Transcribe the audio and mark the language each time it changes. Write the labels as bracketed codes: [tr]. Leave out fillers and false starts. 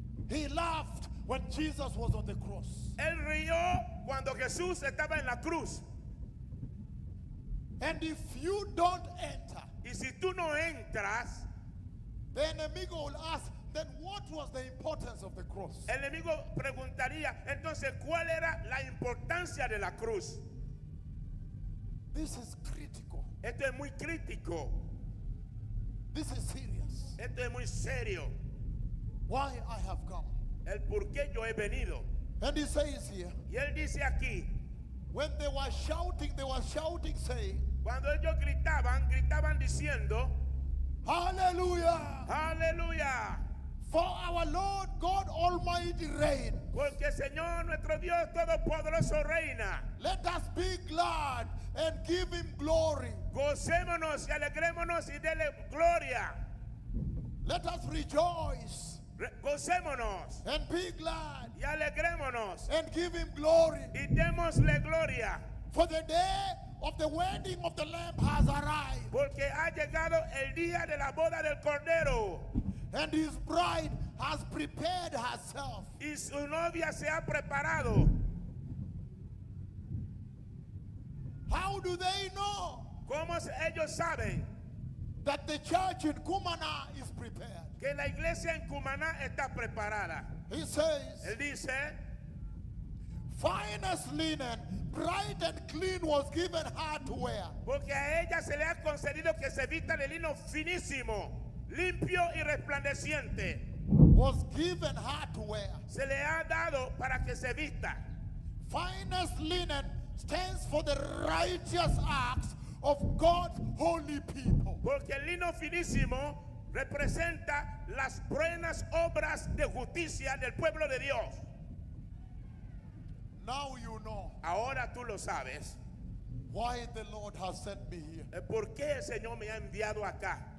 [en] He laughed when Jesus was on the cross. [es] Él rió cuando Jesús estaba en la cruz. [en] And if you don't enter, [es] y si tú no entras, [en] the enemigo will ask, then what was the importance of the cross? [es] El enemigo preguntaría, entonces, ¿cuál era la importancia de la cruz? [en] This is critical. [es] Esto es muy crítico. [en] This is serious. [es] Esto es muy serio. [en] Why I have come. [es] El por qué yo he venido. [en] And he says here. [es] Y él dice aquí. [en] When they were shouting saying. [es] Cuando ellos gritaban, gritaban diciendo. [en] Hallelujah. [es] Hallelujah. [en] For our Lord God Almighty reign. [es] Porque Señor nuestro Dios Todopoderoso reina. [en] Let us be glad and give him glory. [es] Gocémonos y alegrémonos y dele gloria. [en] Let us rejoice. [es] Gocémonos [en] and be glad [es] y alegrémonos [en] and give him glory. [es] Y démosle gloria. [en] For the day of the wedding of the Lamb has arrived. [es] Porque ha llegado el día de la boda del Cordero. [en] And his bride has prepared herself. [es] Y su novia se ha preparado. [en] How do they know? [es] ¿Cómo ellos saben? [en] That the church in Cumaná is prepared. [es] Que la iglesia en Cumaná está preparada. [en] He says, [es] él dice, [en] finest linen, bright and clean, was given her to wear. [es] Porque a ella se le ha concedido que se vista de lino finísimo, limpio y resplandeciente. [en] Was given her to wear. [es] Se le ha dado para que se vista. [en] Finest linen stands for the righteous acts of God's holy people. [es] Porque el lino finísimo representa las buenas obras de justicia del pueblo de Dios. [en] Now you know. [es] Ahora tú lo sabes. [en] Why the Lord has sent me here. [es] ¿Por qué el Señor me ha enviado acá?